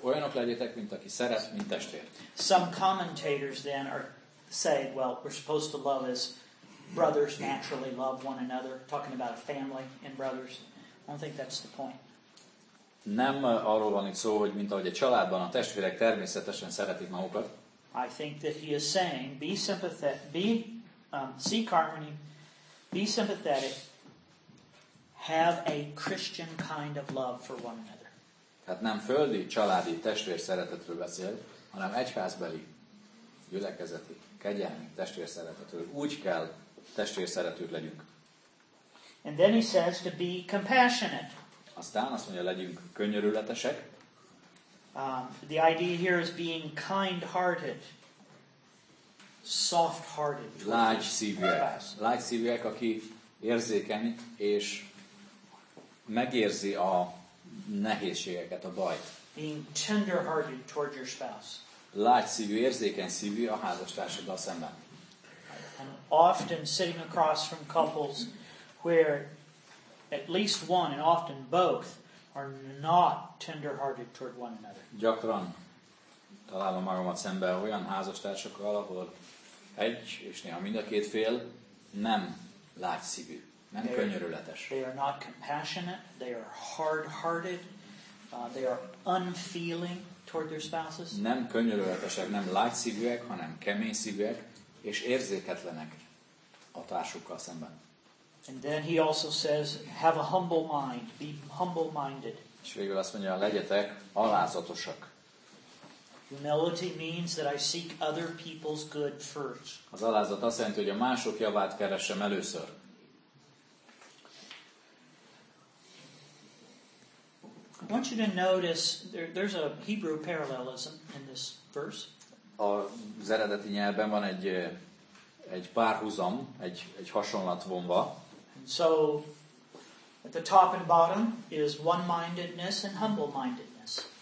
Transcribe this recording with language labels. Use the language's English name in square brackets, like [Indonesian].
[Hungarian] Olyanok legyetek, mint aki szeret, mint testvér. [English] Some commentators then are saying, well, we're supposed to love as brothers naturally love one another, talking about a family and brothers. I don't think that's the point. [Hungarian] Nem arról van itt szó, hogy mint ahogy a családban a testvérek természetesen szeretik magukat. [English] I think that he is saying, be sympathetic, seek harmony, be sympathetic, have a Christian kind of love for one another. [Hungarian] Tehát nem földi, családi, testvér szeretetről beszél, hanem egyházbeli, gyülekezeti, kegyelmi testvér szeretetről. Úgy kell testvér szeretők legyünk. [English] And then he says to be compassionate. [Hungarian] Aztán azt mondja, legyünk könyörületesek. [English] The idea here is being kind-hearted, soft-hearted. [Hungarian] Lágy szívűek, aki érzékeny és megérzi a nehézségeket, a bajt. [English] Being tender-hearted towards your spouse. [Hungarian] Lágy szívű, érzékeny szívű a házastársaddal szemben. [English] Often sitting across from couples where at least one and often both are not tender-hearted toward one another. [Hungarian] Gyakran találom magamat szemben olyan házastársakkal, ahol egy és néha mind a két fél nem lágyszívű, nem könyörületes. [English] They are not compassionate, they are hard-hearted, they are unfeeling toward their spouses. [Hungarian] Nem könyörületesek, nem lágyszívűek, hanem keményszívűek és érzéketlenek a társukkal szemben. [English] And then he also says, have a humble mind, be humble-minded. [Hungarian] És végül azt mondja, legyetek alázatosak. [English] Humility means that I seek other people's good first. [Hungarian] Az alázat azt jelenti, hogy a mások javát keresem először. [English] I want you to notice there's a Hebrew parallelism in this verse. [Hungarian] Az eredeti nyelvben van egy párhuzam, egy hasonlat vonva. [English] So at the top and bottom is one-mindedness and humble-mindedness.